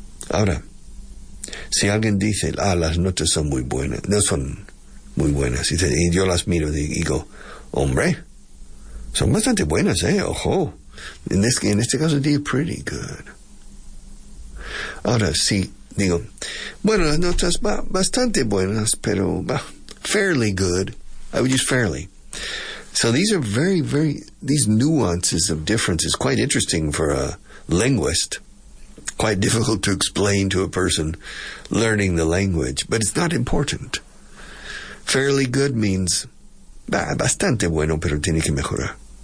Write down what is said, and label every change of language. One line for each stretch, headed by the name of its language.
Spanish: Ahora, si alguien dice, las notas son muy buenas, no son muy buenas, y yo las miro y digo, hombre, son bastante buenas, ¿eh? Ojo. En este caso, digo, pretty good. Ahora, sí, digo, bueno, las notas bastante buenas, pero fairly good.
English: I would use fairly. So these are very, very, these nuances of difference is quite interesting for a linguist. Quite difficult to explain to a person learning the language, but it's not important. Fairly good means
Spanish: bastante bueno, pero tiene que mejorar.